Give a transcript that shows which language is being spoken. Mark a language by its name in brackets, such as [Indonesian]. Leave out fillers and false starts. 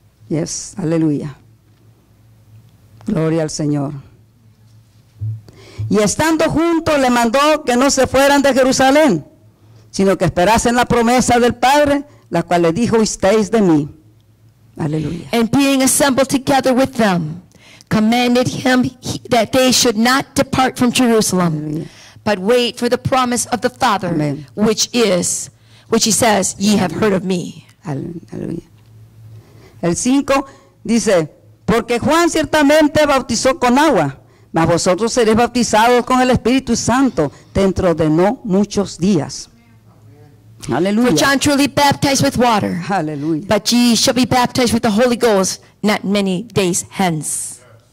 [Spanish] Yes, aleluya. Gloria al Señor. Y estando juntos, le mandó que no se fueran de Jerusalén, sino que esperasen la promesa del Padre, la cual le dijo, oísteis de mí. Aleluya. [English] And being assembled together with them, commanded him that they should not depart from Jerusalem. [Spanish] Aleluya. [English] But wait for the promise of the Father, amen, which is, which he says, ye have heard of me. [Spanish] Aleluya. El 5 dice, porque Juan ciertamente bautizó con agua, mas vosotros seréis bautizados con el Espíritu Santo dentro de no muchos días. Aleluya. [English] For John truly baptized with water, [Spanish] aleluya, [English] but ye shall be baptized with the Holy Ghost not many days hence.